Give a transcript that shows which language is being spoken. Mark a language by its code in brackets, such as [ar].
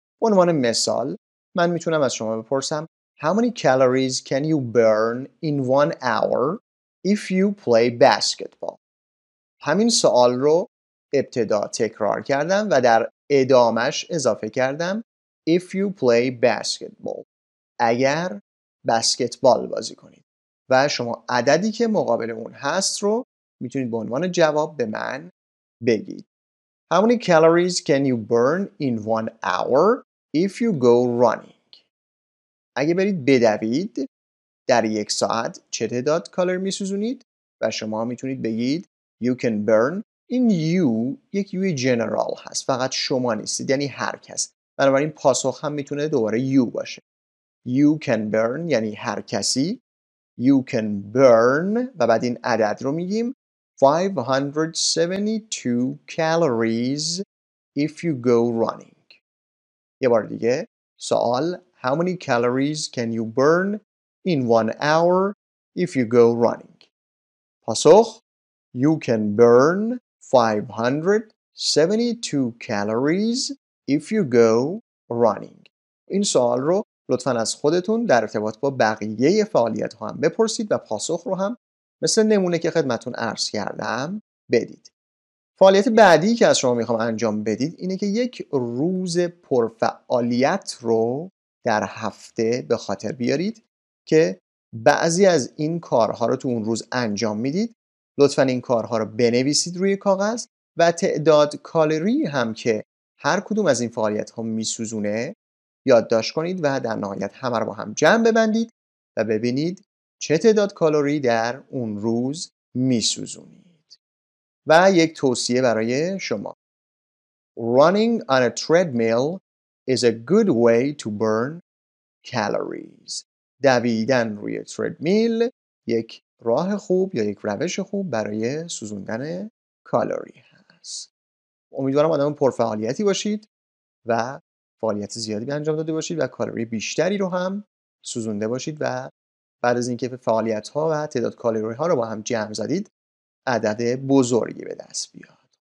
[fa] به عنوان مثال من میتونم از شما بپرسم [en] How many calories can you burn in one hour if you play basketball؟ [fa] همین سوال رو ابتدا تکرار کردم و در ادامش اضافه کردم [en] If you play basketball، [fa] اگر بسکتبال بازی کنید. و شما عددی که مقابل اون هست رو میتونید به عنوان جواب به من بگید. [en] How many calories can you burn in one hour if you go running؟ [fa] اگه برید بدوید در یک ساعت چه تعداد کالری میسوزونید؟ و شما میتونید بگید [en] You can burn. [fa] این you یک you general هست، فقط شما نیستید، یعنی هر کس. بنابراین پاسخ هم میتونه دوباره you باشه. You can burn یعنی هر کسی. [en] You can burn [fa] و بعد این عدد رو میگیم [en] 572 calories if you go running. [fa] یه بار دیگه سوال [en] How many calories can you burn in one hour if you go running? پاسخ You can burn 572 calories if you go running. [fa] این سوال رو لطفاً از خودتون در ارتباط با بقیه فعالیت ها هم بپرسید و پاسخ رو هم مثل نمونه که خدمتون عرض کردم بدید. فعالیت بعدی که از شما میخوام انجام بدید اینه که یک روز پرفعالیت رو در هفته به خاطر بیارید که بعضی از این کارها رو تو اون روز انجام میدید. لطفاً این کارها رو بنویسید روی کاغذ و تعداد کالری هم که هر کدوم از این فعالیت ها میسوزونه یادداشت کنید و در نهایت همه رو با هم جمع ببندید و ببینید چه تعداد کالری در اون روز میسوزونید. و یک توصیه برای شما. [en] Running on a treadmill is a good way to burn calories. [fa] دویدن روی تردمیل یک راه خوب یا یک روش خوب برای سوزوندن کالری هست. امیدوارم آدم پرفعالیتی باشید و فعالیت زیادی به انجام داده باشید و کالری بیشتری رو هم سوزونده باشید و بعد از اینکه فعالیت ها و تعداد کالری ها رو با هم جمع زدید عدد بزرگی به دست بیاد.